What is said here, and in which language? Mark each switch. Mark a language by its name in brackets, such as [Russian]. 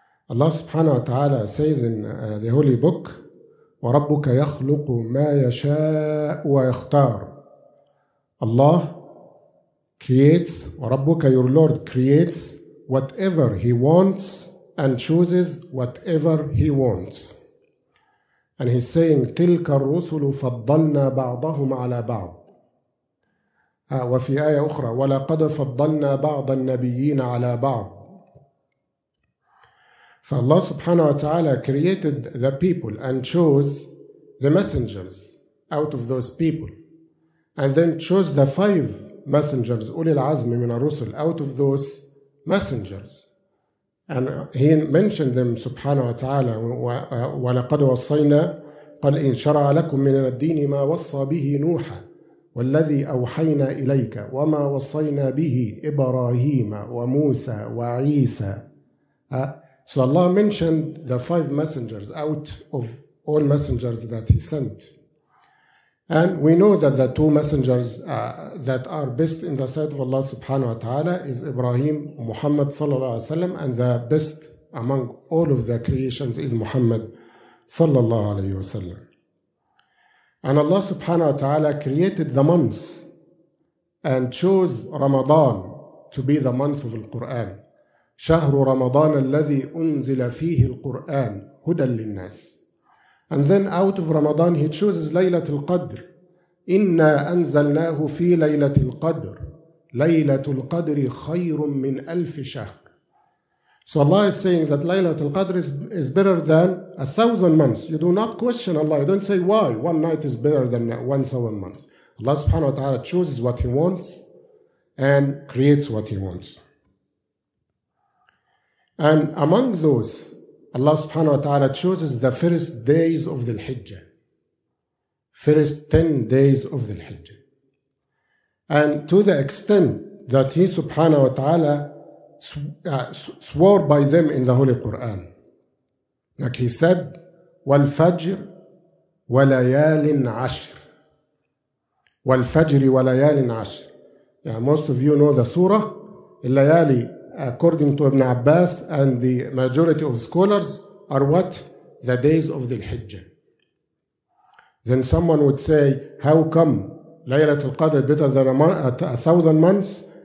[Arabic] الله سبحانه وتعالى [English] says in the holy book, [Arabic] وربك يخلق ما يشاء ويختار. [English] Allah creates, [Arabic] وربك, [English] your Lord creates whatever He wants and chooses whatever He wants. And He's saying, [Arabic] تلك الرسل فضلنا بعضهم على بعض. وفي آية أخرى, ولقد فضلنا بعض النبيين على بعض. فالله سبحانه وتعالى [English] created the people and chose the messengers out of those people, and then chose the five messengers, Ulil Azm min ar-Rusul, out of those messengers. And he mentioned them, subhanahu wa ta'ala, [Arabic] وَلَقَدْ وَصَّيْنَا قَلْ إِنْ شَرَعَ لَكُمْ مِنَ الدِّينِ مَا وَصَّى بِهِ نُوحًا وَالَّذِي أَوْحَيْنَا إِلَيْكَ وَمَا وَصَّيْنَا بِهِ إِبْرَاهِيمَ وَمُوسَى وَعِيسَى. [English] So Allah mentioned the five messengers out of all messengers that He sent. And we know that the two messengers that are best in the sight of Allah subhanahu wa ta'ala is Ibrahim, Muhammad sallallahu alayhi wa sallam, and the best among all of the creations is Muhammad sallallahu alayhi wa sallam. And Allah subhanahu wa ta'ala created the months and chose Ramadan to be the month of Al-Quran. [Arabic] شهر رمضان الذي أنزل فيه القرآن هدى للناس. [English] And then out of Ramadan, He chooses ليلة القدر. [Arabic] إنا أنزلناه في ليلة القدر. ليلة القدر خير من ألف شهر. [English] So Allah is saying that ليلة القدر is better than 1,000 months. You do not question Allah. You don't say why one night is better than 1,000 months. Allah subhanahu wa ta'ala chooses what He wants and creates what He wants. And among those, Allah subhanahu wa ta'ala chooses the first days of the Hijjah. First 10 days of the Hijjah. And to the extent that He subhanahu wa ta'ala swore by them in the Holy Quran. Like He said, [Arabic] وَالْفَجْرِ وَلَيَالٍ عَشْرٍ وَالْفَجْرِ وَلَيَالٍ عَشْرٍ. [English] Yeah, most of you know the surah, الليالي, according to Ibn Abbas and the majority of scholars, are what? The days of the Hijjah. Then someone would say, how come Laylatul Qadr is better than 1,000 months?